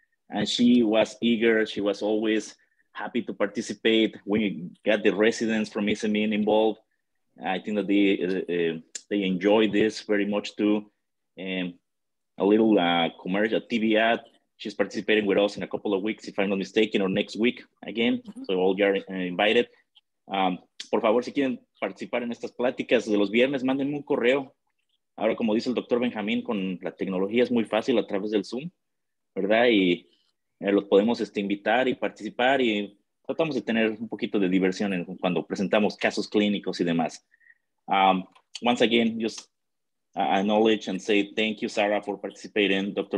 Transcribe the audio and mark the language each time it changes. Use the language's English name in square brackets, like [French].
[English] And she was eager. She was always happy to participate. We got the residents from ICEMIN involved. I think that they enjoy this very much too. A little commercial TV ad. She's participating with us in a couple of weeks, if I'm not mistaken, or next week again. Mm-hmm. So all you are invited. [Spanish] Por favor, si quieren participar en estas pláticas de los viernes, mándenme un correo. Ahora, como dice el doctor Benjamín, con la tecnología es muy fácil a través del Zoom, ¿verdad? Y los podemos invitar y participar y tratamos de tener un poquito de diversión cuando presentamos casos clínicos y demás. [English] Once again, just acknowledge and say thank you, Sara, for participating, Dr.